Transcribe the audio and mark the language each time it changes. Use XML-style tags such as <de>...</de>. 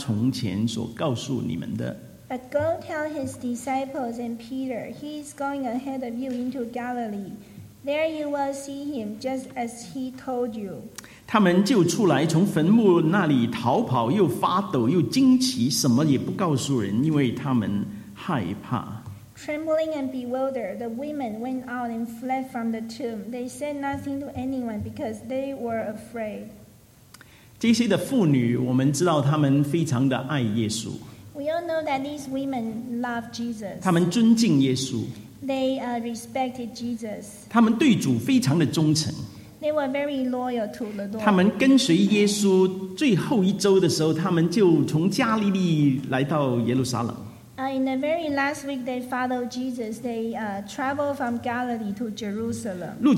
<zh>你们可以去告诉他的门徒和彼得说，他在你们以先往加利利去，在那里你们要见他，正如他从前所告诉你们的。</zh> <en>But go tell his disciples and Peter, he is going ahead of you into Galilee. There you will see him, just as he told you.</en> <zh>他们就出来，从坟墓那里逃跑，又发抖，又惊奇，什么也不告诉人，因为他们害怕。</zh> <en>Trembling and bewildered, the women went out and fled from the tomb. They said nothing to anyone because they were afraid.</en> <zh>这些的妇女，我们知道她们非常的爱耶稣。</zh> <en>We all know that these women love Jesus.</en> <zh>她们尊敬耶稣。</zh> <en>They respected Jesus.</en> <zh>她们对主非常的忠诚。</zh> <en>They were very loyal to the Lord.</en> <zh>她们跟随耶稣最后一周的时候， 她们就从加利利来到耶路撒冷。</zh> <en>In the very last week they followed Jesus, they traveled from Galilee to Jerusalem.</en>